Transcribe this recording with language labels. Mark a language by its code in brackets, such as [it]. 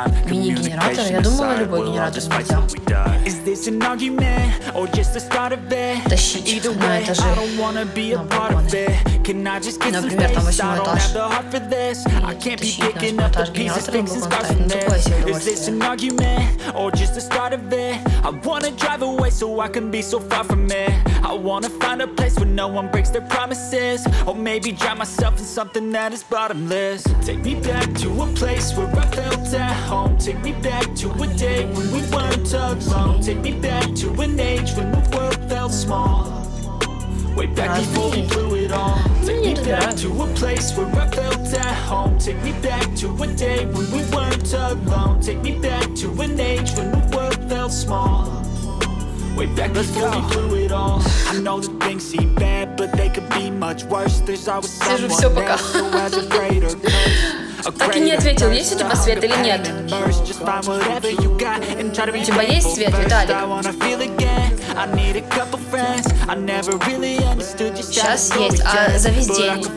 [ru] Мини-генератор, я думала, любой генератор нельзя. [en] Is this an argument or just the start of it? [ru] Тащить [en] either way, [ru] на этаже, [en] I don't wanna be a part of it. Can I just get some space? I don't have the heart for this. I can't be picking up the pieces, fixing scars from this. Is this an argument or just the start of it? I wanna drive away so I can be so far from it. I wanna find a place where no one breaks their promises, or maybe drown myself in something that is bottomless. Take me back to a place where I felt at home. Take me back to a day when we weren't alone. Take me back to an age when the world felt small. Way back before we blew it all. Take me back to a place where I felt at home. Take me back to a day when we weren't alone. Take me back to an age when the world felt small. Way back before we blew it all. I know that things seem bad, but they could be much worse. There's always someone else who has a greater curse. [ru] Так и не ответил, есть у тебя свет или нет? У тебя есть свет, Виталик? Сейчас есть, а за весь день?